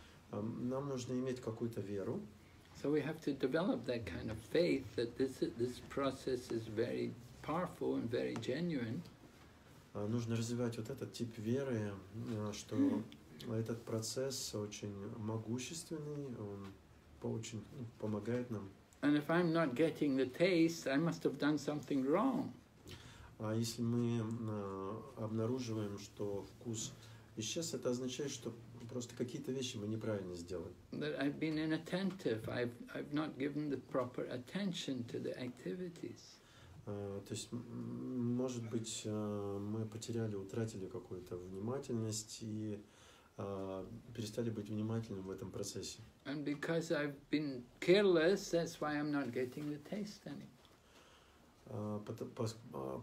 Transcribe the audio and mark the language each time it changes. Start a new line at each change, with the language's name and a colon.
Russian: Нам нужно иметь какую-то веру.
English: So we have to develop that kind of faith that this process is very powerful and very genuine.
Russian: Нужно развивать вот этот тип веры, что этот процесс очень могущественный, он помогает нам.
English: And if I'm not getting the taste, I must have done something wrong.
Russian: А если мы обнаруживаем, что вкус исчез, это означает, что просто какие-то вещи мы неправильно сделали.
English: That I've been inattentive. I've not given the proper attention to the activities.
Russian: То есть, может быть, мы утратили какую-то внимательность и перестали быть внимательным в этом процессе.
English: And because I've been careless, that's why I'm not getting the taste anymore.